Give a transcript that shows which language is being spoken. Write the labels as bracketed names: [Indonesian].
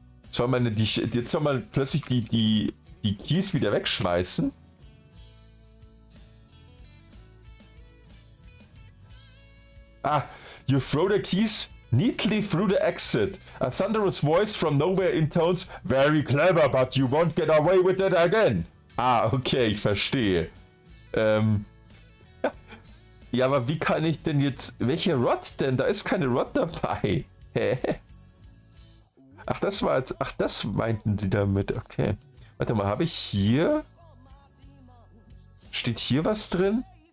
[German] Soll man jetzt soll man plötzlich die Keys wieder wegschmeißen? [English] Ah, you throw the keys neatly through the exit. A thunderous voice from nowhere intones, very clever, but you won't get away with that again. [German] Ah, okay, ich verstehe. Ja, aber wie kann ich denn jetzt, welche Rot denn? Da ist keine Rot dabei. Hä? Ach, das war jetzt. Ach, das meinten sie damit. Okay. Warte mal, habe ich hier. Steht hier was drin?